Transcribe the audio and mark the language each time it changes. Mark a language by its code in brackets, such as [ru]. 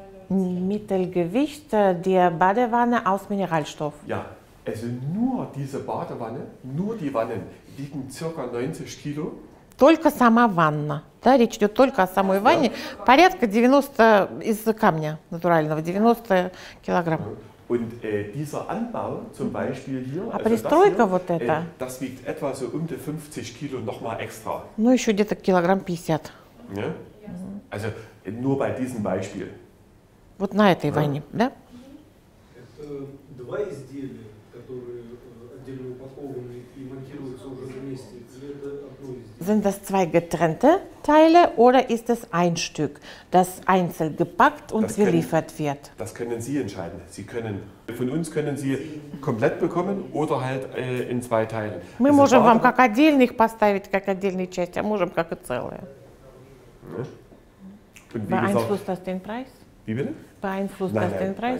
[de] Mittelgewicht der Badewanne aus Mineralstoff. Ja, also nur diese Badewanne, nur die Wannen wiegen ca. 90 Kilo. [ru] Только сама ванна. Да, речь идет только о самой ванне. [de] Ja. [ru] Порядка 90 из камня натурального, 90 килограмм. [de] Und dieser Anbau zum Beispiel hier, [ru] а пристройка [de] also [ru] вот эта, [de] das wiegt etwa so um die 50 Kilo nochmal extra. [ru] Ну, еще где-то килограмм 50. [de] Ja? Also nur bei diesem Beispiel. [ru] Вот на этой войне, да? Это два изделия, которые отдельно упакованы и монтируются уже вместе. [de] Sind das zwei getrennte Teile oder ist es ein Stück, das einzeln gepackt und geliefert wird? Das können Sie entscheiden. Sie können, von uns können Sie komplett bekommen oder halt in zwei Teilen. [ru] Мы можем вам как отдельных поставить, как отдельные части, а можем как и целые. [de] Beeinflusst das den Preis? Wie bitte? Beeinflusst das den Preis?